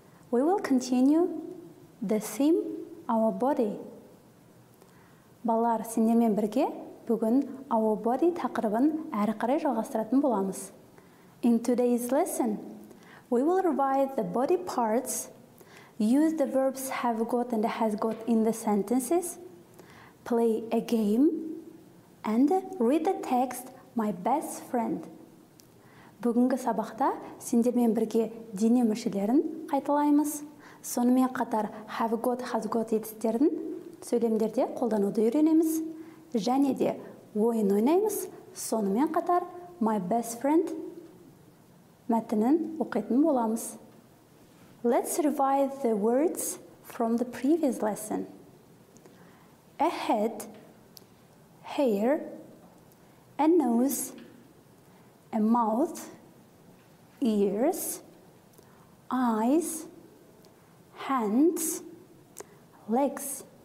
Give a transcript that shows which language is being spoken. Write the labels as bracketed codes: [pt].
[en] We will continue the theme, our body. [kk] Балалар, сендермен бірге бүгін our body тақырыбын әрі қарай жалғастыратын боламыз. [en] In today's lesson, we will revise the body parts, use the verbs have got and has got in the sentences, play a game, and read the text My best friend. [kk] Бүгінгі сабақта сендермен бірге дене мүшелерін қайталаймыз. Сонымен қатар have got, has got етістерін сөйлемдерде қолдануды үйренеміз. Және де ойын ойнаймыз. Сонымен қатар my best friend мәтінін оқитын боламыз. [en] Let's revise the words from the previous lesson. A head, hair, A nose, a mouth, ears, eyes, hands, legs.